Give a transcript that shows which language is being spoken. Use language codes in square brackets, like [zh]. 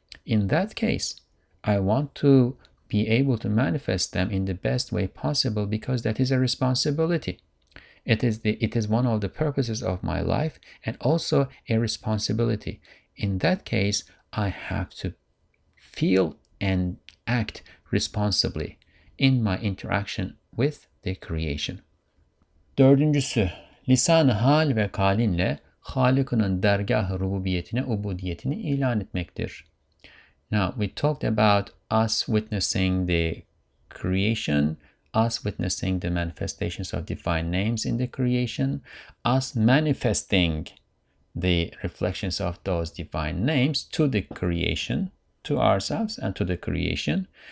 [en] In that case, I want to be able to manifest them in the best way possible because that is a responsibility. It is one of the purposes of my life and also a responsibility. In that case, I have to feel and act responsibly in my interaction with the creation. [tr] Dördüncüsü, lisan-ı hal ve kalinle Halık'ının dergah-ı rububiyetine ubudiyetini ilan etmektir. [en] Now, we talked about us witnessing the creation, us witnessing the manifestations of divine names in the creation, us manifesting the reflections of those divine names to the creation, to ourselves and to the creation.